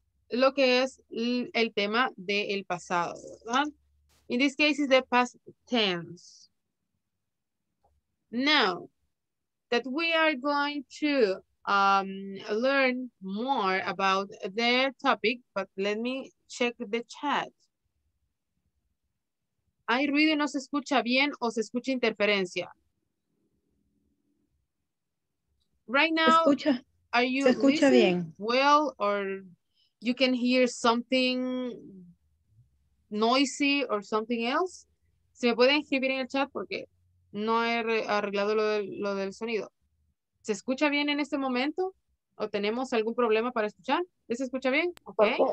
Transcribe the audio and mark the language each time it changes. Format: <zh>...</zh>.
<es>Lo que es el tema del pasado, ¿verdad?</es> <en>In this case, it's the past tense. Now, that we are going to learn more about their topic, but let me check the chat.</en> <es>¿Hay ruido y no se escucha bien o se escucha interferencia?</es> <en>Right now,</en> <es>escucha.</es> <en>Are you listening well, or you can hear something noisy or something else?</en> <es>¿Se me pueden escribir en el chat? Porque no he arreglado lo del sonido. ¿Se escucha bien en este momento? ¿O tenemos algún problema para escuchar? ¿Se escucha bien? Okay.</es>